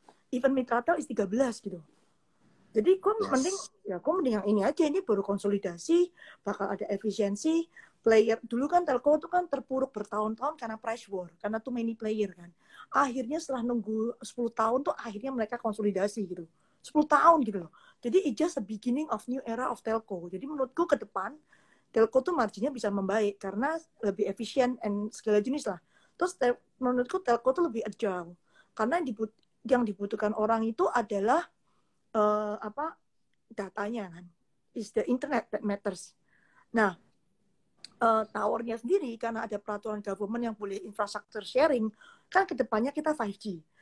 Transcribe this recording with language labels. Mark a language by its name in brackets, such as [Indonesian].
[English] Even Mitratel is 13 gitu. [Indonesian] Jadi gua [English] yes. [Indonesian] mending ya gua mending yang ini aja, ini baru konsolidasi, bakal ada efisiensi. Player dulu kan telco itu kan terpuruk bertahun-tahun karena price war, karena [English] too many player [Indonesian] kan. Akhirnya setelah nunggu 10 tahun tuh akhirnya mereka konsolidasi gitu. 10 tahun gitu loh. Jadi [English] it's just a beginning of new era of telco. [Indonesian] Jadi menurutku ke depan telco tuh marginnya bisa membaik karena lebih efisien and segala jenis lah. Terus menurutku telco tuh lebih agile. Karena yang dibutuhkan orang itu adalah datanya kan. [English] It's the internet that matters. [Indonesian] Nah, towernya sendiri karena ada peraturan government yang boleh infrastructure sharing, kan kedepannya kita 5G.